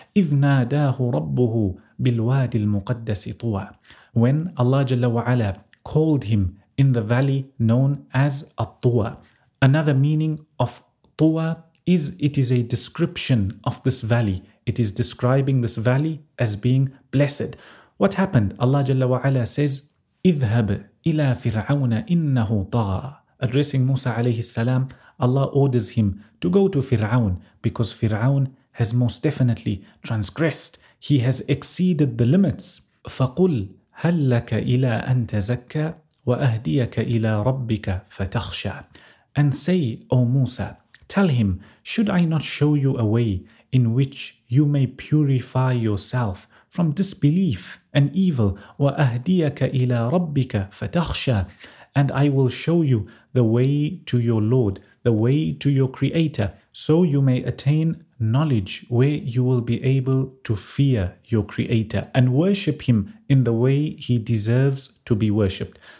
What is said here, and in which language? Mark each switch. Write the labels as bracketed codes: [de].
[ar] إِذْ نَادَاهُ رَبُّهُ بِالْوَادِ الْمُقَدَّسِ طُوَى [en] When Allah Jalla wa'ala called him in the valley known as At-Tuwa. Another meaning of Tuwa is it is a description of this valley. It is describing this valley as being blessed. What happened? Allah Jalla wa'ala says, [ar] اذهب إلى فرعون إنه طغى. [en] Addressing Musa alayhi salam, Allah orders him to go to Fir'aun because Fir'aun has most definitely transgressed. He has exceeded the limits. [ar] فَقُلْ هَلْ لَكَ إِلَىٰ أَن تَزَكَّى وَأَهْدِيَكَ إِلَىٰ رَبِّكَ فَتَخْشَى [en] And say, O Musa, Tell him, should I not show you a way in which you may purify yourself from disbelief and evil? [ar] وَأَهْدِيَكَ إِلَىٰ رَبِّكَ فَتَخْشَىٰ [en] And I will show you the way to your Lord, the way to your Creator, so you may attain knowledge where you will be able to fear your Creator and worship Him in the way He deserves to be worshipped.